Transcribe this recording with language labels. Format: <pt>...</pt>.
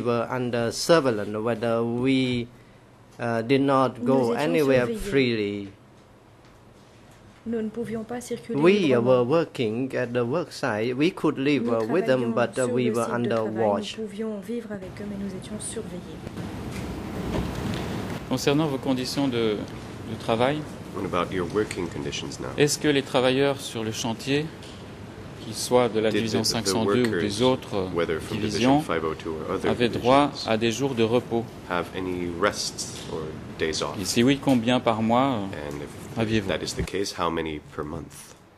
<en>were under surveillance whether we did not go anywhere freely.</en> <fr>Nous ne pouvions pas circuler librement.</fr> <en>We were working at the work site. We could live with them, but we were under watch.</en> <fr>Nous pouvions vivre avec eux, mais nous étions surveillés. Concernant vos conditions de travail,</fr> <en>what about your working conditions now?</en> <fr>Est-ce que les travailleurs sur le chantier, qu'ils soient de la division 502 ou des autres divisions, avaient droit à des jours de repos?</fr> <en>Have any rest or days off?</en> <fr>Et si oui, combien par mois aviez-vous?</fr> <en>That is the case, how many per month?</en>